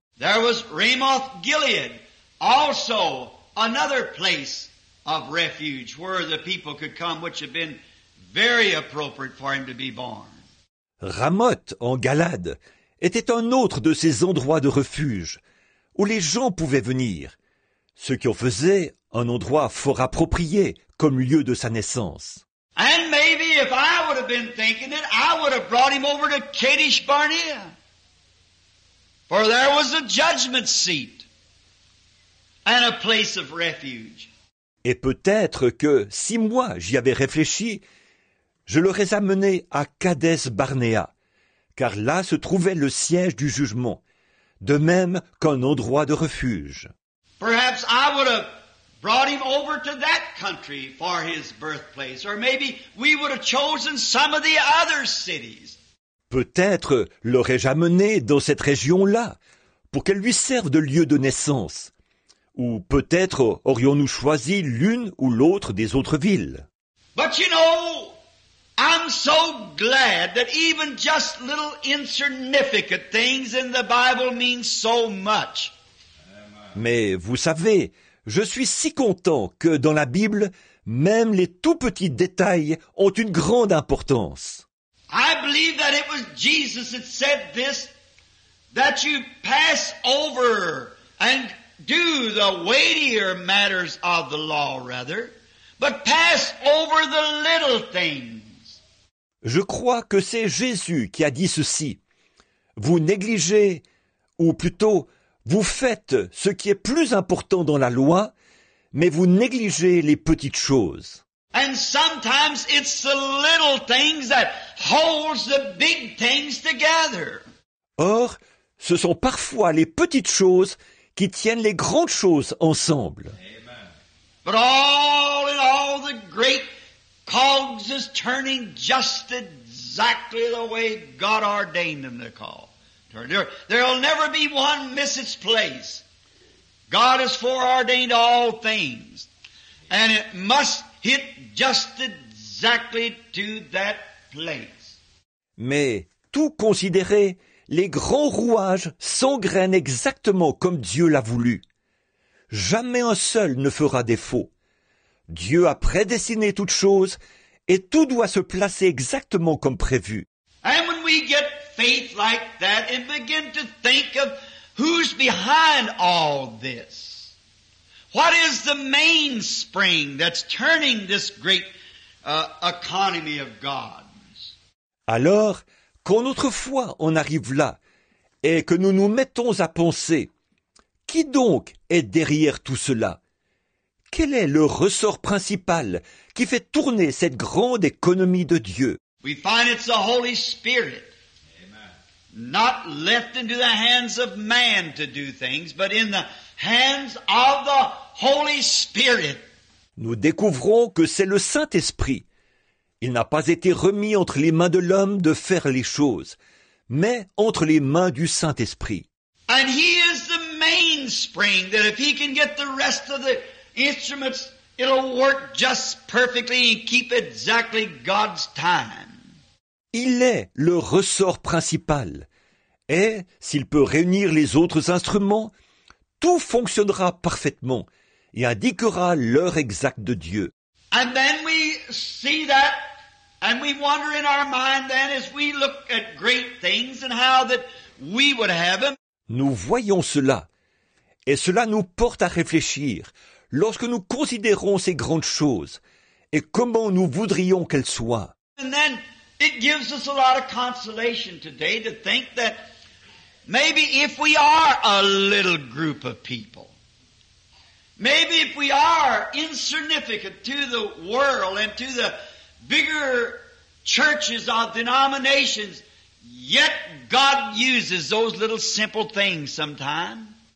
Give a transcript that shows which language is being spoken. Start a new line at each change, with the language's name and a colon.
English: There was Ramoth-Gilead, also another place of refuge where the people could come, which had been very appropriate for him to be born.
French: Ramoth en Galade était un autre de ces endroits de refuge où les gens pouvaient venir, ce qui en faisait un endroit fort approprié comme lieu de sa naissance.
English: And maybe if I would have been thinking it, I would have brought him over to Kadesh Barnea, for there was a judgment seat and a place of refuge.
French: Et peut-être que si moi j'y avais réfléchi, je l'aurais amené à Kadesh-Barnéa, car là se trouvait le siège du jugement, de même qu'un endroit de refuge.
English: Perhaps I would have brought him over to that country for his birthplace, or maybe we would have chosen some of the other cities.
French: Peut-être l'aurais-je amené dans cette région-là, pour qu'elle lui serve de lieu de naissance. Ou peut-être aurions-nous choisi l'une ou l'autre des autres villes.
English: But you know, I'm so glad that even just little insignificant things in the Bible mean so much.
French: Mais vous savez, je suis si content que dans la Bible, même les tout petits détails ont une grande importance.
English: I believe that it was Jesus that said this, that you pass over and do the weightier matters of the law, rather, but pass over the little things.
French: Je crois que c'est Jésus qui a dit ceci. Vous négligez, ou plutôt, vous faites ce qui est plus important dans la loi, mais vous négligez les petites choses.
English: And sometimes it's the little things that holds the big things together.
French: Or, ce sont parfois les petites choses qui tiennent les grandes choses ensemble.
English: Amen. But all in all, the great cogs is turning just exactly the way God ordained them to call. There'll never be one miss its place. God has foreordained all things, and it must hit just exactly to that place.
French: Mais tout considéré, les grands rouages s'engrènent exactement comme Dieu l'a voulu. Jamais un seul ne fera défaut. Dieu a prédestiné toutes choses, et tout doit se placer exactement comme prévu.
English: And when we get faith like that and begin to think of who's behind all this, what is the mainspring that's turning this great economy of God's?
French: Alors, quand notre foi en arrive là et que nous nous mettons à penser, qui donc est derrière tout cela? Quel est le ressort principal qui fait tourner cette grande économie de Dieu?
English: We find it's the Holy Spirit. Not left into the hands of man to do things, but in the hands of the Holy Spirit.
French: Nous découvrons que c'est le Saint-Esprit. Il n'a pas été remis entre les mains de l'homme de faire les choses, mais entre les mains du Saint-Esprit.
English: And he is the mainspring that if he can get the rest of the instruments, it'll work just perfectly and keep exactly God's time.
French: Il est le ressort principal, et s'il peut réunir les autres instruments, tout fonctionnera parfaitement et indiquera l'heure exacte de Dieu.
English: And then we see that, and we wonder in our mind then as we look at great things and how that we would have them.
French: Nous voyons cela, et cela nous porte à réfléchir lorsque nous considérons ces grandes choses et comment nous voudrions qu'elles soient.
English: And then, it gives us a lot of consolation today to think that maybe if we are a little group of people, maybe if we are insignificant to the world and to the bigger churches or denominations, yet God uses those little simple things sometimes.